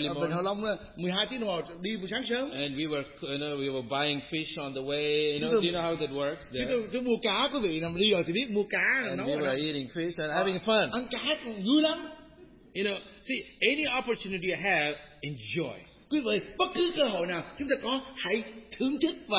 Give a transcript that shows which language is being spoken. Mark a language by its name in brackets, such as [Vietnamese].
[Vietnamese] Hạ Long 12 tiếng đồng hồ đi buổi sáng sớm. [English] And we were buying fish on the way. You know, do you know how that works? [Vietnamese] Chúng tôi mua cá, quý vị nằm đi rồi thì biết mua cá. [English] And we were eating fish and having fun. [Vietnamese] Ăn cá vui lắm. [English] You know, see, any opportunity you have, enjoy. [Vietnamese] Quý vị, bất cứ cơ hội nào chúng ta có, hãy thưởng thức và